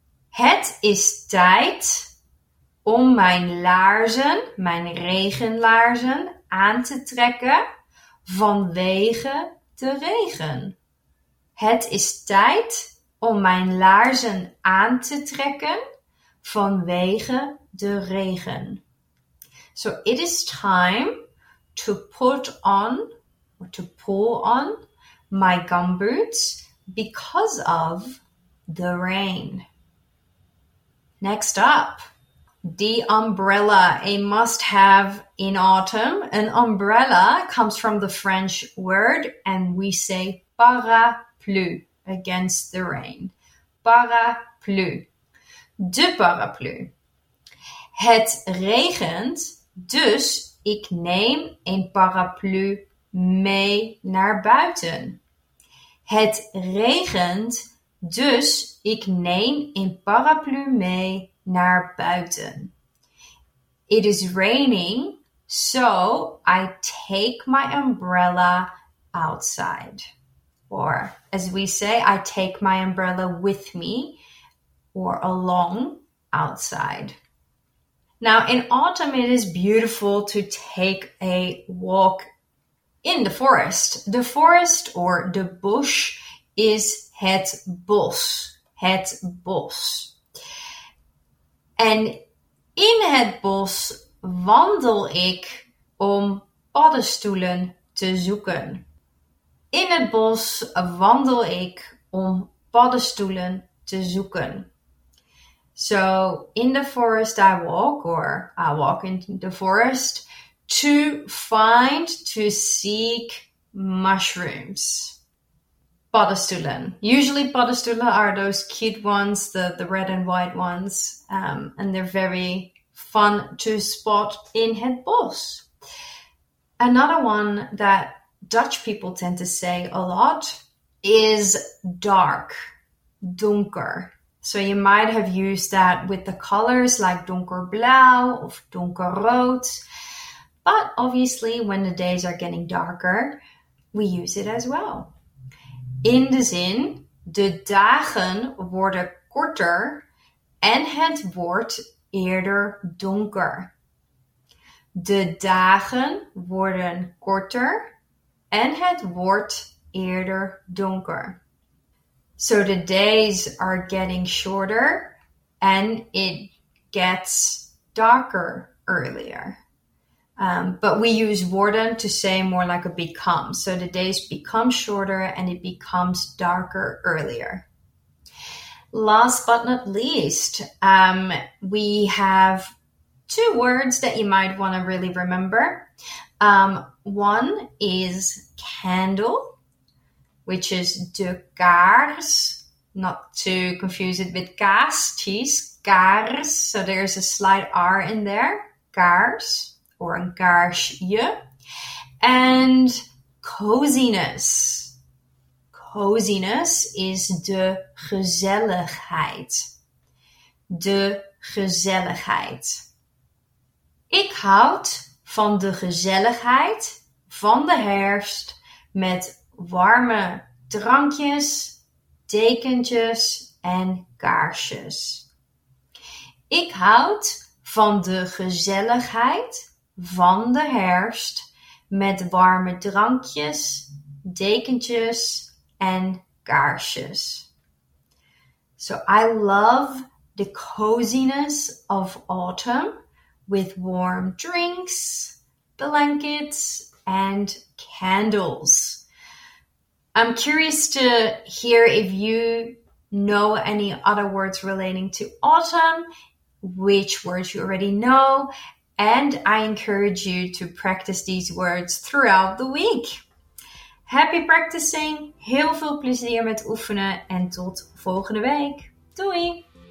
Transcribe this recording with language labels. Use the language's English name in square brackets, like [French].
[Dutch] Het is tijd om mijn laarzen, mijn regenlaarzen, aan te trekken vanwege de regen. Het is tijd om mijn laarzen aan te trekken vanwege de regen. [English] So it is time to put on or to pull on my gumboots because of the rain. Next up, the umbrella, a must-have in autumn. An umbrella comes from the French word and we say parapluie, against the rain. [Dutch] Parapluie. De parapluie. Het regent, dus ik neem een paraplu mee naar buiten. Het regent, dus ik neem een paraplu mee naar buiten. [English] It is raining, so I take my umbrella outside. Or as we say, I take my umbrella with me or along outside. Now in autumn, it is beautiful to take a walk in the forest. The forest or the bush is het bos. [Dutch] Het bos. En in het bos wandel ik om paddenstoelen te zoeken. In het bos wandel ik om paddenstoelen te zoeken. [English] So, in the forest I walk, or I walk in the forest, to find, to seek mushrooms. Paddenstoelen. Usually paddenstoelen are those cute ones, the red and white ones, and they're very fun to spot in het bos. Another one that Dutch people tend to say a lot is dark, donker. So you might have used that with the colors like [Dutch] donkerblauw of donkerrood. [English] But obviously when the days are getting darker, we use it as well. [Dutch] In de zin, de dagen worden korter en het wordt eerder donker. De dagen worden korter en het wordt eerder donker. [English] So the days are getting shorter and it gets darker earlier. But we use worden to say more like a become. So the days become shorter and it becomes darker earlier. Last but not least, we have two words that you might want to really remember. One is candle, which is de kaars, not to confuse it with kaas, cheese, kaars. So there's a slight R in there, kaars, or een kaarsje. And coziness. Coziness is de gezelligheid. [Dutch] De gezelligheid. Ik houd van de gezelligheid van de herfst met warme drankjes, dekentjes en kaarsjes. Ik houd van de gezelligheid van de herfst met warme drankjes, dekentjes en kaarsjes. [English] So I love the coziness of autumn with warm drinks, blankets and candles. I'm curious to hear if you know any other words relating to autumn, which words you already know, and I encourage you to practice these words throughout the week. Happy practicing, [Dutch] heel veel plezier met oefenen en tot volgende week. Doei!